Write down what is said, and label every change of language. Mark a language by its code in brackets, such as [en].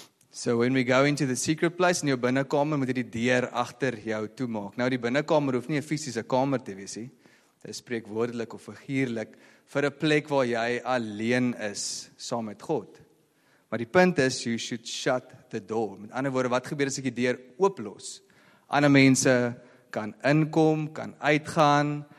[en] So when we go into the secret place, [af] in jou binnekamer, moet jy die deur agter jou toemaak. Nou die binnekamer hoef nie 'n fisiese kamer te wees nie. Dit spreek woordelik of figuurlik vir 'n plek waar jy alleen is saam met God. Maar die punt is [en] you should shut the door. [af] Met ander woorde, wat gebeur as ek die deur ooplos? Ander mense kan inkom, kan uitgaan.